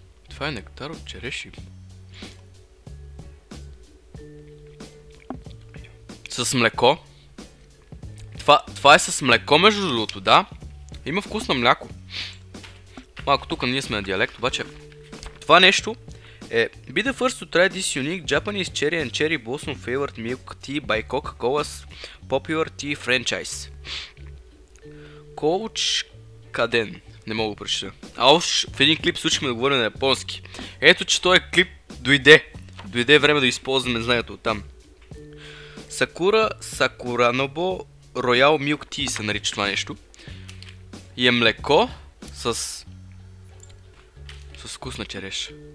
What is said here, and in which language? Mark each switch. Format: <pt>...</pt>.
<bg>Това е нектар от череши. С млеко. Това е с мляко между другото, да. Има вкус на мляко. Малко тук ние сме на диалект, обаче. Това нещо е</bg> <en>Be the first to try this unique Japanese cherry and cherry blossom flavored milk tea by Coca-Cola's popular tea franchise. Coach Kaden.</en> <bg>Не мога да прочета. А уж в един клип случихме да говорим на японски. Ето че този клип дойде. Дойде време да използваме знанието от там. Sakuranobo Royal Milk Tea се нарича това нещо. И е млеко с вкус на череш.</bg>